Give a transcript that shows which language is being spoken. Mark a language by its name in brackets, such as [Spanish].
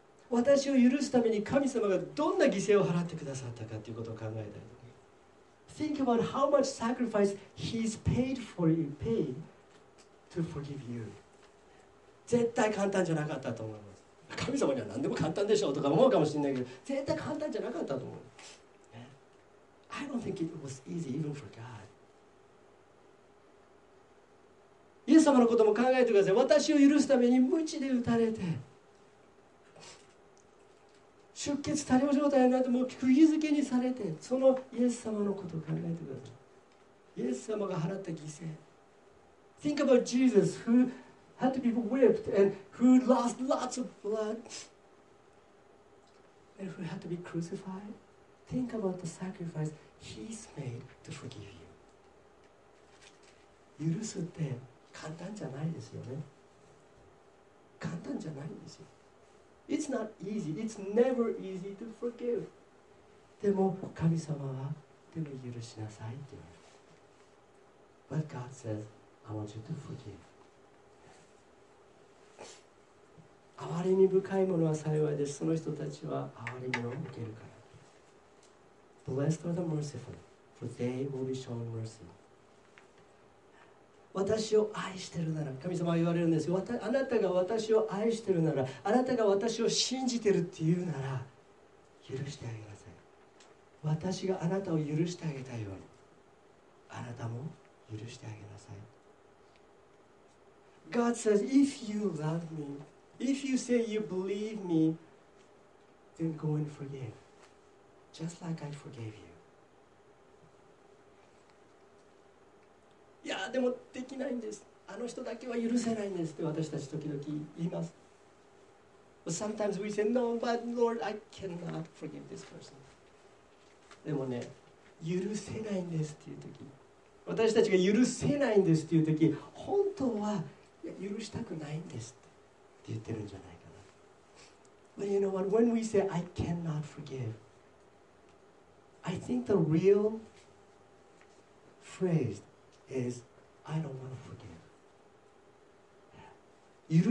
[Japanese] 私を許すために神様がどんな犠牲を払ってくださったかということを考えたい。 [English] Think about how much sacrifice he's paid for you, paid to forgive you. [Japanese] 絶対簡単じゃなかったと思います。神様には何でも簡単でしょうとか思うかもしれないけど、絶対簡単じゃなかったと思う。 [English] I don't think it was easy even for God. [Japanese] イエス様のことも考えてください。私を許すために鞭で打たれて、出血多量状態になって、もう釘付けにされて、そのイエス様のことを考えてください。イエス様が払った犠牲。 [English] Think about Jesus who had to be whipped and who lost lots of blood. And if we have to be crucified, think about the sacrifice He's made to forgive you. [Japanese] 許すって簡単じゃないですよね。簡単じゃないんですよ。 [English] It's not easy. It's never easy to forgive. [Japanese] でも神様は、でも許しなさいって言う。 [English] But God says, I want you to forgive. [Japanese] 憐れみ深いものは幸いです。その人たちは憐れみを受けるから。 [English] Blessed are the merciful, for they will be shown mercy. [Japanese] 私を愛してるなら、神様は言われるんですよ。あなたが私を愛してるなら、あなたが私を信じてるって言うなら、許してあげなさい。私があなたを許してあげたように、あなたも許してあげなさい。 [English] God says, if you love me,If you say you believe me, then go and forgive, just like I forgave you. [Japanese] いやでもできないんです。あの人だけは許せないんですって私たち時々言います。 [English] Sometimes we say, no, but Lord, I cannot forgive this person. [Japanese] でもね、許せないんですっていう時、私たちが許せないんですっていう時、本当は許したくないんです。って言ってるんじゃないかな。 [English] But you know what? When we say I cannot forgive, I think the real phrase is I don't want to forgive.